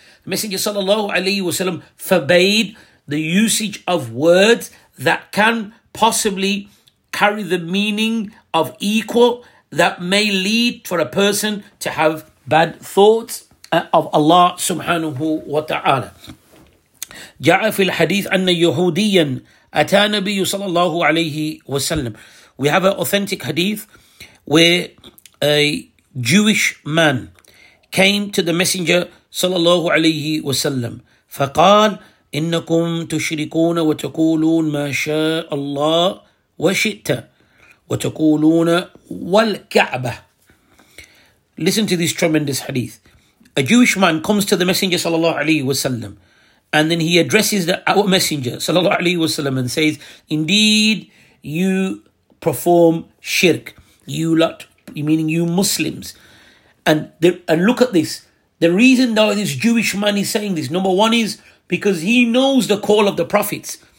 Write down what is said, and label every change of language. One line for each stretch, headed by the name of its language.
English: The Messenger sallallahu alayhi wa sallam forbade the usage of words that can possibly carry the meaning of equal, that may lead for a person to have bad thoughts of Allah subhanahu wa ta'ala.
Arabic: جاء في الحديث أن يهوديا أتى النبي صلى الله عليه وسلم.
English: We have an authentic hadith where a Jewish man came to the Messenger
Arabic: صلى الله عليه وسلم. فقال إنكم تشركون وتقولون ما شاء الله وشئت وتقولون والكعبة.
English: Listen to this tremendous hadith. A Jewish man comes to the Messenger
Arabic: صلى الله عليه وسلم.
English: And then he addresses our Messenger sallallahu alaihi wasallam and says, indeed, you perform shirk, you lot, meaning you Muslims. And look at this. The reason that this Jewish man is saying this, number one, is because he knows the call of the prophets.